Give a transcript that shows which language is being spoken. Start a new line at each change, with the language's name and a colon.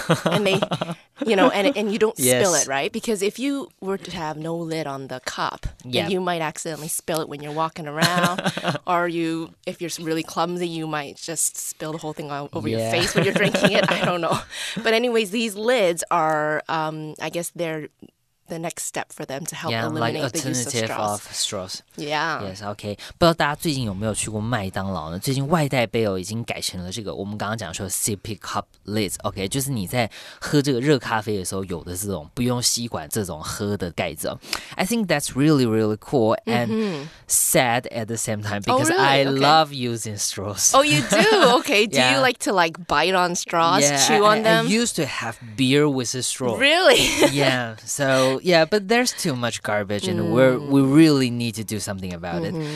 English: And they, you know, and you don't spill it, right? Because if you were to have no lid on the cup, then you might accidentally spill it when you're walking around. Or you, if you're really clumsy, you might just spill the whole thing all over your face when you're drinking it. I don't know. But anyways, these lids are, I guess they're the next step for them to help eliminate the use of straws. Yeah, like alternative of straws. Yeah. Yes, okay.
Chinese: 不知道大家最近有没有去过麦当劳呢？最近外带杯已经改成了这个，我们刚刚讲说
English: sippy cup lids.
Chinese: Okay, 就是你在喝这个热咖啡的时候有的这种不用吸管这种喝的盖子。
English: I think that's really, really cool and sad at the same time because I love using straws. Oh, you do? Okay. Do you like to like bite on straws, chew on them? I used to have beer with a straw. Really? Yeah, so yeah, but there's too much garbage and we really need to do something about it.